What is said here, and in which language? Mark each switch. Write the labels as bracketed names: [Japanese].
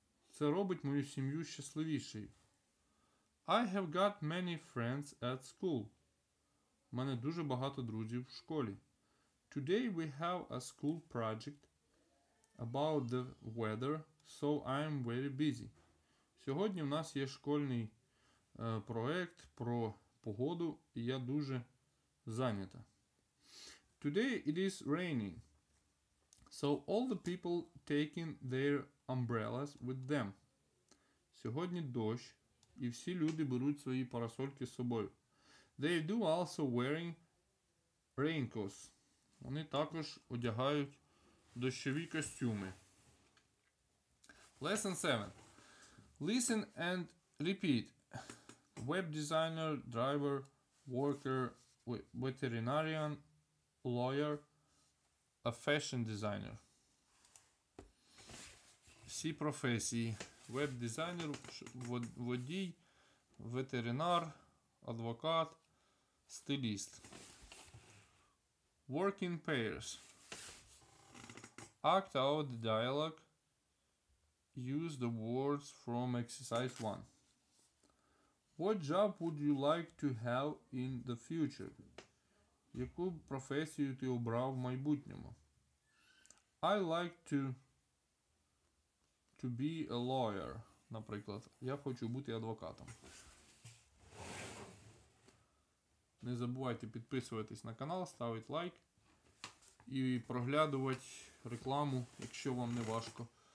[Ukrainian] Це робить мою сім'ю щасливішою. [English] I have got many friends at school. [Ukrainian] У мене дуже багато друзів в школі. [English] Today we have a school project about the weather, so I'm very busy. [Ukrainian] Сьогодні в нас є школьний проект про погоду, і я дуже зайнята. [English] Today it is raining, so all the people taking their umbrellas with them. [Ukrainian] Сьогодні дощ, і всі люди беруть свої парасольки з собою. [English] They do also wearing raincoats. [Ukrainian] Вони також одягають дощові костюми. [English] Lesson 7. Listen and repeat. Web designer, driver, worker, veterinarian, lawyer, a fashion designer. [Ukrainian] Всі професії. Веб-дизайнер, водій, ветеринар, адвокат, стиліст. [English] Work in pairs. Act out the dialogue. Use the words from exercise 1. What job would you like to have in the future? [Ukrainian] Яку професію ти обрав в майбутньому? [English] I like to be a lawyer, наприклад. [Ukrainian] Я хочу бути адвокатом. Не забувайте підписуватись на канал, ставити лайк і проглядувати рекламу, якщо вам не важко.